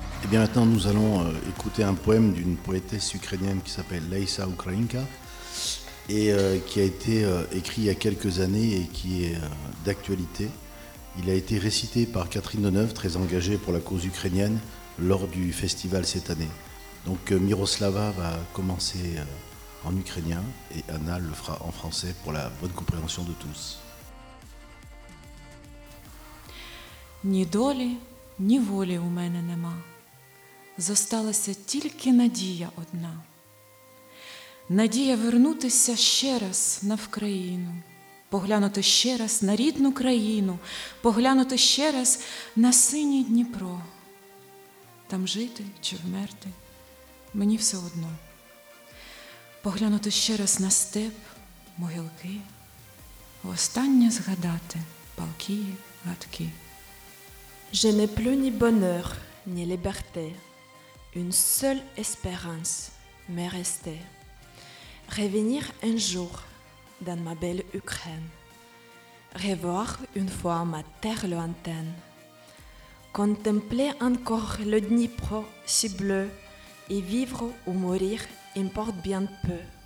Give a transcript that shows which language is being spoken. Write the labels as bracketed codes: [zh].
[fr] Maintenant, nous allons écouter un poème d'une poétesse ukrainienne qui s'appelle Leïsa Ukrainka et qui a été écrit il y a quelques années et qui est d'actualité. Il a été récité par Catherine Deneuve, très engagée pour la cause ukrainienne, lors du festival cette année. Donc Miroslava va commencer en ukrainien et Anna le fera en français pour la bonne compréhension de tous. [uk] Ni долі, ні волі у мене нема. Зосталася тільки надія одна. Надія вернутися ще раз на Вкраїну, поглянути ще раз на рідну країну, поглянути ще раз на синій Дніпро. Там жити чи вмерти, мені все одно. Поглянути ще раз на степ, могилки, востаннє згадати палки гадки. [fr] Je n'ai plus ni bonheur, ni liberté. Une seule espérance m'est restée, revenir un jour dans ma belle Ukraine, revoir une fois ma terre lointaine. Contempler encore le Dnipro si bleu, et vivre ou mourir importe bien peu.